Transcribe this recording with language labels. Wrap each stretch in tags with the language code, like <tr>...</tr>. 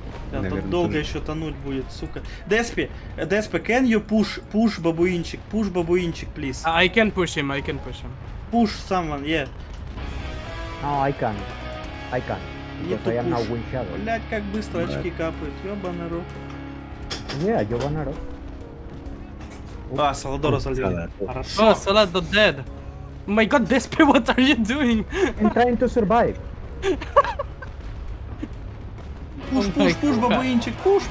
<ru>Да, тут долго еще тонуть будет, сука.</ru> <en>Деспи, can you push бабуинчик? Push бабуинчик, please. I can push him. Push someone, yeah. No, I can't. Need to push. Now win shadow.</en> <ru>Блядь, как быстро</ru> <en>but...</en> <ru>очки капают, ёбаный рот.</ru> <en>Yeah,</en> <ru>ёбаный рот. А, Саладора залил. Хорошо.</ru> <en>Oh, Salado dead. My god, Despe, what are you doing? I'm trying to survive. Push, бабуинчик, push.</en>